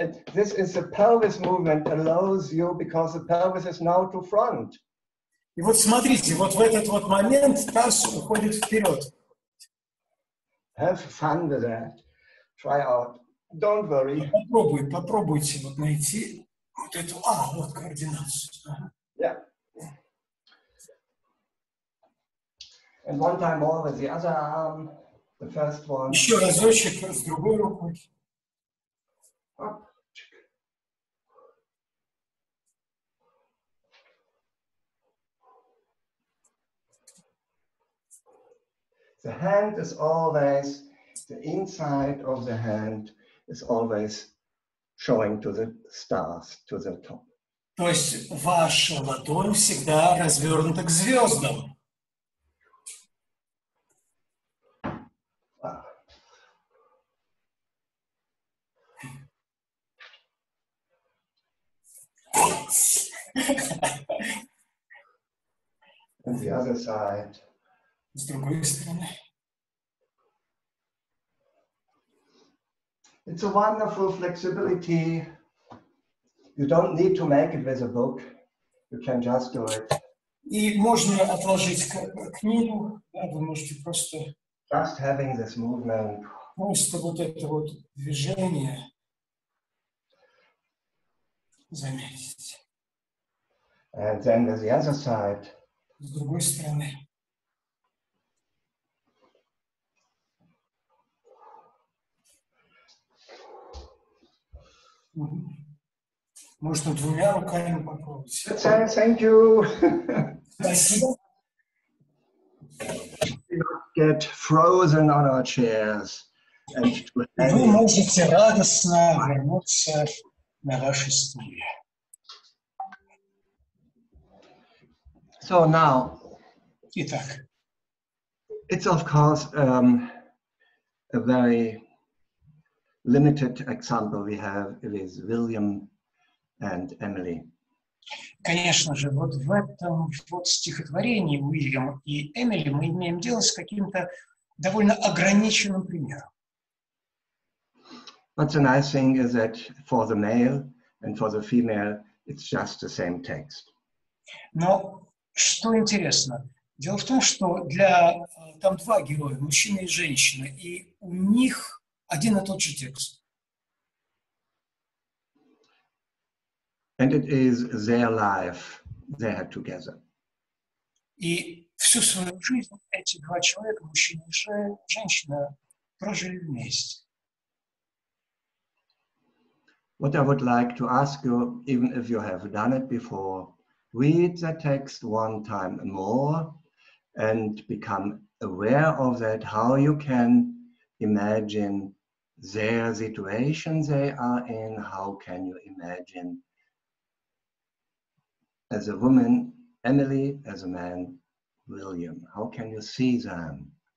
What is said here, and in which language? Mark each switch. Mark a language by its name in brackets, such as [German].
[English] And this is the pelvis movement allows you because the pelvis is now to front. [Russian] И вот смотрите, вот в этот вот момент таз уходит вперед. [English] Have fun with that. Try out. Don't worry. [Russian] Попробуйте вот найти вот эту, вот координацию. [English] Yeah. And one time more with the other arm. The first one. [Russian] Еще разочек, с другой рукой. [English] The hand is always, the inside of the hand is always showing to the stars, to the top. [Russian] То есть ваша ладонь всегда развернута к звездам. [English] And the other side. [Russian] С другой стороны. [English] It's a wonderful flexibility. You don't need to make it with a book. You can just do it. [Russian] И можно отложить книгу, да, вы можете просто. [English] Just having this movement. [Russian] Просто вот это вот движение. Заметить. [English] And then there's the other side. [Russian] С другой стороны. Можно двумя руками попробовать. [English] Thank you. [Russian] Спасибо. [English] We don't get frozen on our chairs. And [Russian] вы можете радостно вернуться на вашей стуле. [English] So now. [Russian] Итак. [English] It's of course a very limited example we have is William and Emily. [Russian] Конечно же, вот в этом вот стихотворении Уильям и Эмили мы имеем дело с каким-то довольно ограниченным примером. [English] But the nice thing is that for the male and for the female, it's just the same text. [Russian] Но что интересно, дело в том, что для там два героя, мужчина и женщина, и у них один и тот же текст. [English] And it is their life they had together. [Russian] И всю свою жизнь эти два человека, мужчина и женщина, прожили вместе. [English] What I would like to ask you, even if you have done it before, read the text one time more and become aware of that, how you can imagine their situation they are in, how can you imagine as a woman, Emily, as a man, William, how can you see them?